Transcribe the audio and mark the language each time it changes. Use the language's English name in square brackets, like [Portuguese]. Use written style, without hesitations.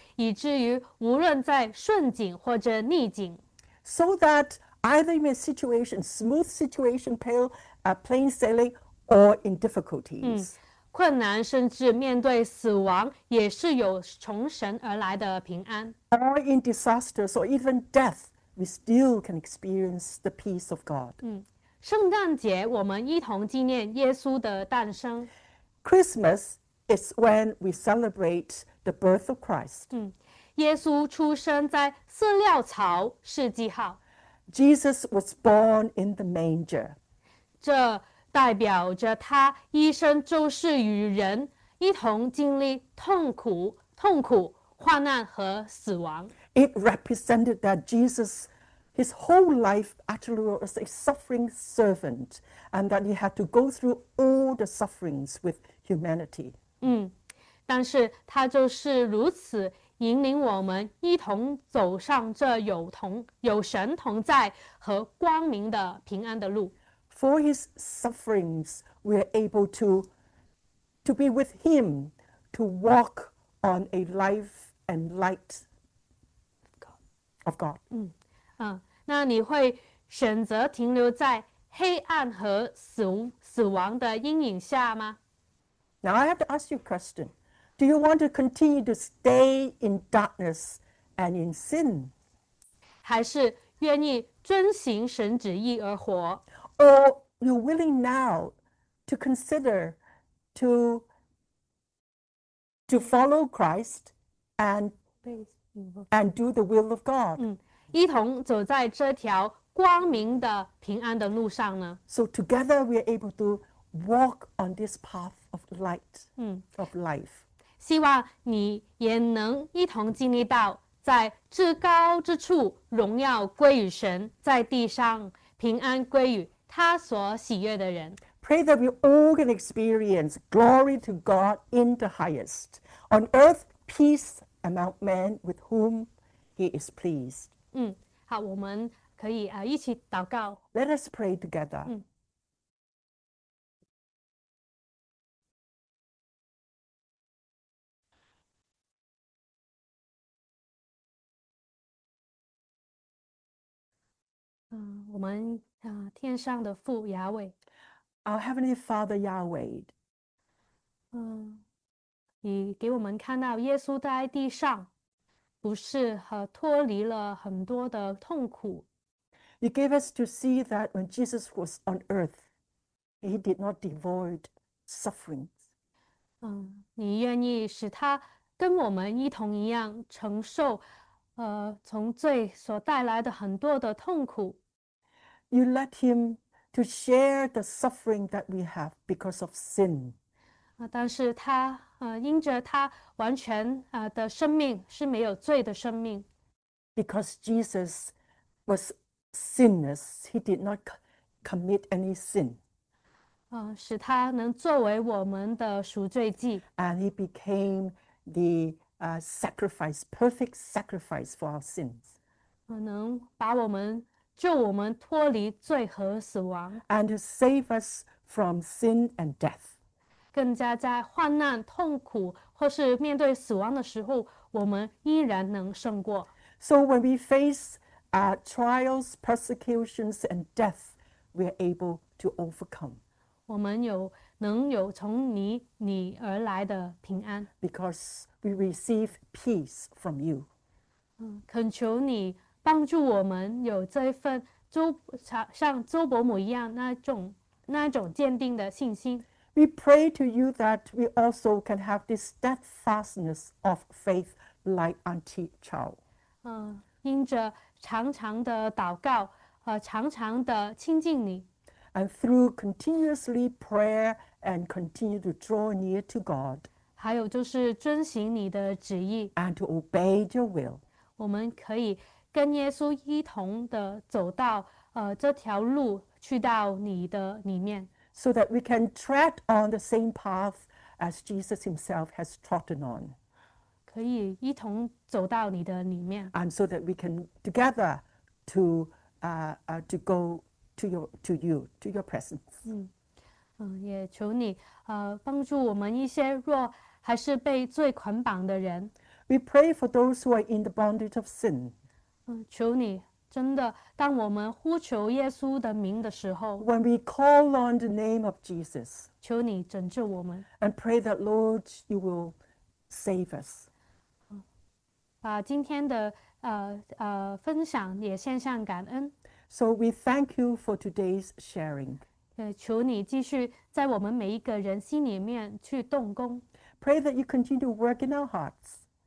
[Chinese] 以至于无论在顺境或者逆境。 [English] So that either in a situation, smooth situation, plain sailing, or in difficulties. [Chinese] 困难甚至面对死亡也是有从神而来的平安。 [English] Or in disasters or even death, we still can experience the peace of God. [Chinese] 圣诞节我们一同纪念耶稣的诞生。 [English] Christmas is when we celebrate the birth of Christ. [Chinese] 耶稣出生在饲料槽是记号。 [English] Jesus was born in the manger. [Chinese] 这代表着他一生就是与人一同经历痛苦、患难和死亡。 [English] It represented that Jesus, his whole life actually was a suffering servant, and that he had to go through all the sufferings with humanity. [Chinese] 但是他就是如此引领我们一同走上这有神同在和光明的平安的路。 [English] For his sufferings, we are able to be with him, to walk on a life and light of God. [Chinese] 那你会选择停留在黑暗和死亡的阴影下吗？ [English] Now I have to ask you a question. Do you want to continue to stay in darkness and in sin? [Chinese] 还是愿意遵行神旨意而活？ [English] Or you're willing now to consider to follow Christ and do the will of God? [Chinese] 一同走在这条光明的平安的路上呢？ [English] So together we are able to walk on this path of light, of life. [Chinese] 希望你也能一同经历到在至高之处荣耀归于神，在地上平安归于他所喜悦的人。 [English] Pray that we all can experience glory to God in the highest. On earth, peace among men with whom he is pleased. [Chinese] 好，我们可以一起祷告。 [English] Let us pray together. [Chinese] 我们天上的父亚伟。 [English] Our Heavenly Father Yahweh. [Chinese] 你给我们看到耶稣在地上不是和脱离了很多的痛苦。 [English] You gave us to see that when Jesus was on earth, he did not avoid suffering. [Chinese] 你愿意使他跟我们一同一样承受从罪所带来的很多的痛苦。 [English] You let him to share the suffering that we have because of sin. [Chinese] 但是他因着他完全的生命是没有罪的生命。 [English] Because Jesus was sinless, he did not commit any sin. [Chinese] 使他能作为我们的赎罪祭。 [English] And he became the sacrifice, perfect sacrifice for our sins. [Chinese] 能把我们救我们脱离罪和死亡。 [English] And to save us from sin and death. [Chinese] 更加在患难、痛苦或是面对死亡的时候，我们依然能胜过。 [English] So when we face trials, persecutions, and death, we are able to overcome. [Chinese] 我们能有从你而来的平安。 [English] Because we receive peace from you. [Chinese] 恳求你帮助我们有这一份像周伯母一样那种坚定的信心。 [English] We pray to you that we also can have this steadfastness of faith like Auntie Chow. [Chinese] 因着常常的祷告常常的亲近你。 [English] And through continuously prayer and continue to draw near to God. [Chinese] 还有就是遵行你的旨意。 [English] And to obey your will. [Chinese] 我们可以跟耶稣一同的走到这条路去到你的里面。 [English] So that we can tread on the same path as Jesus himself has trodden on. [Chinese] 可以一同走到你的里面。 [English] And so that we can together to go to your presence. [Chinese] 也求你帮助我们一些若还是被罪捆绑的人。 [English] We pray for those who are in the bondage of sin. [Chinese] 求你真的当我们呼求耶稣的名的时候 [English] When we call on the name of Jesus [Chinese] 求你拯救我们 [English] And pray that Lord you will save us [Chinese] 把今天的分享也献上感恩 [English] So we thank you for today's sharing [Chinese] 求你继续在我们每一个人心里面去动工 [English] Pray that you continue to work in our hearts